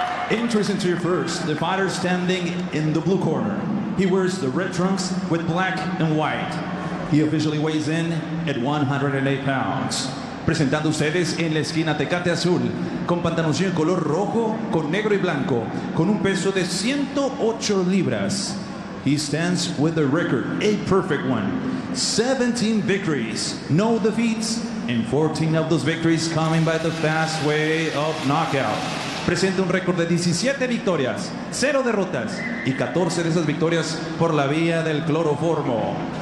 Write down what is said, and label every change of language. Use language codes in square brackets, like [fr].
[en] Introducing to you first, the fighter standing in the blue corner. He wears the red trunks with black and white. He officially weighs in at 108 pounds. [es] Presentando a ustedes en la esquina Tecate Azul, con pantaloncillo en color rojo, con negro y blanco, con un peso de 108 libras. [en] He stands with a record, a perfect one. 17 victories, no defeats, and 14 of those victories coming by the fast way of knockout. [es] Presenta un récord de 17 victorias, 0 derrotas, y 14 de esas victorias por la vía del cloroformo.